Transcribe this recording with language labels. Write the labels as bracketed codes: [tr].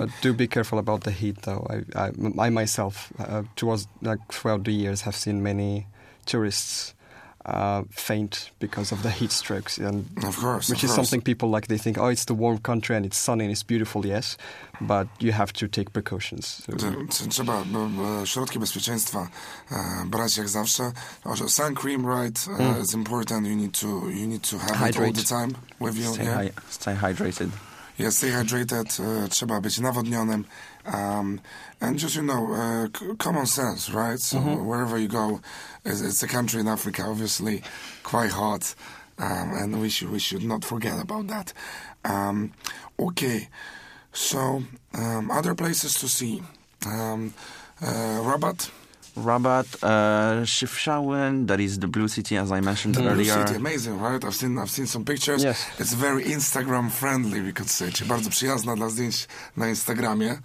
[en] But do be careful about the heat, though. I myself, throughout the years, have seen many tourists faint because of the heat strokes. And of course, which of is course. Something people like. They think, oh, it's the warm country and it's sunny and it's beautiful, yes. But you have to take precautions. [pl] Trzeba środki bezpieczeństwa brać jak zawsze. [en] Also, sun cream, right? It's important. You need to have hydrate. It all the time with you. Stay hydrated. Yes, stay hydrated. [pl] Trzeba być nawodnionym. [en] And just, you know, common sense, right? So mm-hmm. wherever you go, it's a country in Africa, obviously, quite hot. And we should not forget about that. Okay. So, other places to see. Rabat? Rabat, Chefchaouen, that is the blue city, as I mentioned the earlier. Blue city, amazing, right? I've seen some pictures. Yes. It's very Instagram-friendly, we could say. [pl] Czy bardzo przyjazna dla zdjęć na Instagramie?